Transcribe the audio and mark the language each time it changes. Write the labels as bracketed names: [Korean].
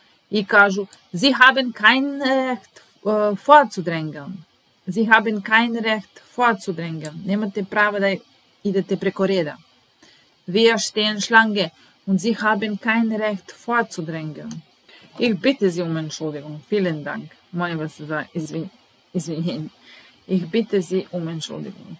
[Serbian] I kažu, [German] sie haben kein Recht vorzudrängeln. Sie haben kein Recht vorzudrängeln. [Serbian] Nemate prava da idete preko reda. [German] Wir stehen Schlange. Und sie haben kein Recht vorzudrängeln. Ich bitte Sie um Entschuldigung. Vielen Dank. [Serbian] Molim vas za izvinjenje. [German] Ich bitte Sie um Entschuldigung.